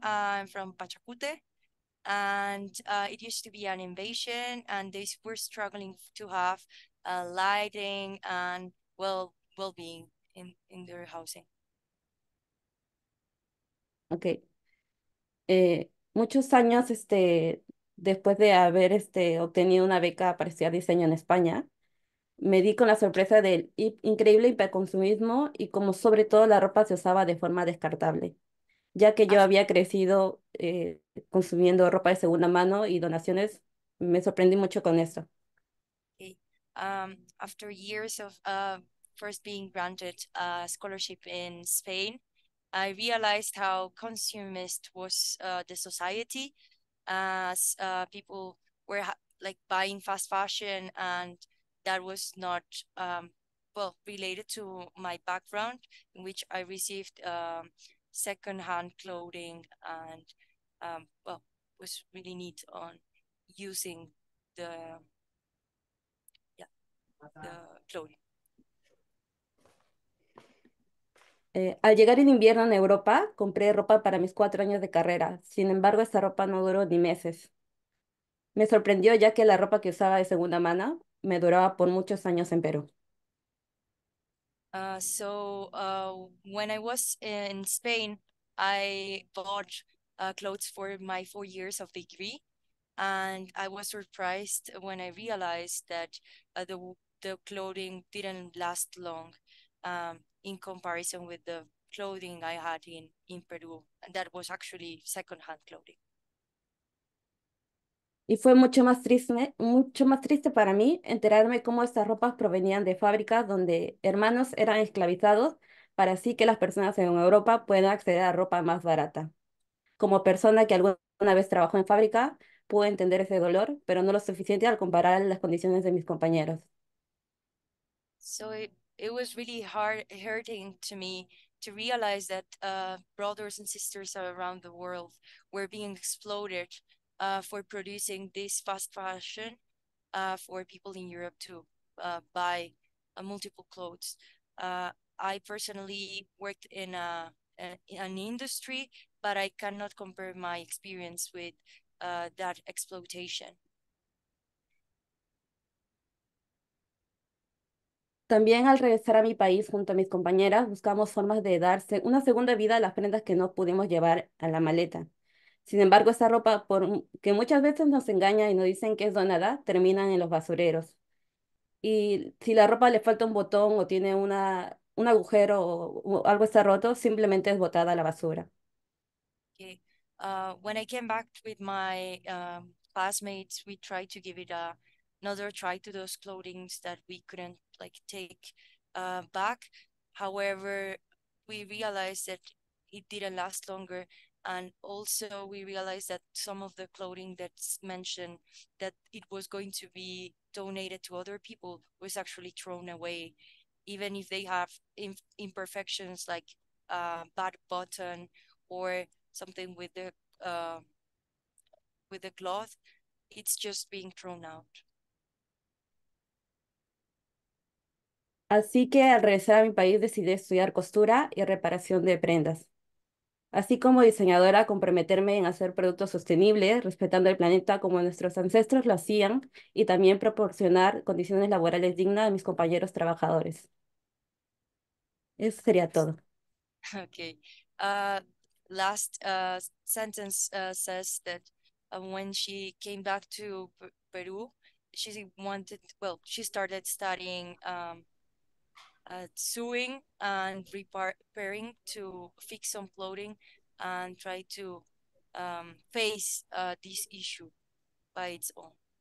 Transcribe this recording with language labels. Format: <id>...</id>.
<en>I'm from Pachacute, and it used to be an invasion, and they were struggling to have lighting and well-being in their housing. Ok.</en> <es>Muchos años después de haber obtenido una beca para estudiar diseño en España, me di con la sorpresa del increíble hiperconsumismo y como sobre todo la ropa se usaba de forma descartable, ya que yo había crecido consumiendo ropa de segunda mano y donaciones, me sorprendí mucho con esto.</es> <en>After years of first being granted a scholarship in Spain, I realized how consumist was the society, as people were ha like buying fast fashion, and that was not well related to my background, in which I received secondhand clothing, and well, was really neat on using the clothing.</en> <es>Al llegar en invierno en Europa, compré ropa para mis 4 años de carrera. Sin embargo, esta ropa no duró ni meses. Me sorprendió ya que la ropa que usaba de segunda mano me duraba por muchos años en Perú.</es> <en>When I was in Spain, I bought clothes for my 4 years of degree, and I was surprised when I realized that the clothing didn't last long in comparison with the clothing I had in Peru, and that was actually secondhand clothing.</en> <es>Y fue mucho más triste para mí enterarme cómo estas ropas provenían de fábricas donde hermanos eran esclavizados para así que las personas en Europa puedan acceder a ropa más barata. Como persona que alguna vez trabajó en fábrica, pude entender ese dolor, pero no lo suficiente al comparar las condiciones de mis compañeros.</es> <en>So it was really hard hurting to me to realize that brothers and sisters around the world were being exploited for producing this fast fashion for people in Europe to buy multiple clothes. I personally worked in an industry, but I cannot compare my experience with that exploitation.</en> <es>También al regresar a mi país junto a mis compañeras, buscamos formas de darse una segunda vida a las prendas que no pudimos llevar a la maleta. Sin embargo, esa ropa, que muchas veces nos engaña y nos dicen que es donada, terminan en los basureros. Y si la ropa le falta un botón o tiene un agujero o algo está roto, simplemente es botada a la basura.</es> <en>When I came back with my classmates, we tried to give it another try to those clothings that we couldn't like take back. However, we realized that it didn't last longer, and also we realized that some of the clothing that's mentioned that it was going to be donated to other people was actually thrown away, even if they have imperfections like a bad button or something with the cloth, it's just being thrown out.</en> <es>Así que al regresar a mi país decidí estudiar costura y reparación de prendas. Así como diseñadora, comprometerme en hacer productos sostenibles, respetando el planeta como nuestros ancestros lo hacían, y también proporcionar condiciones laborales dignas a mis compañeros trabajadores. Eso sería todo.</es> <en>Okay. Last sentence says that when she came back to Peru, she started studying sewing and repairing to fix some clothing and try to face this issue by its own.</en>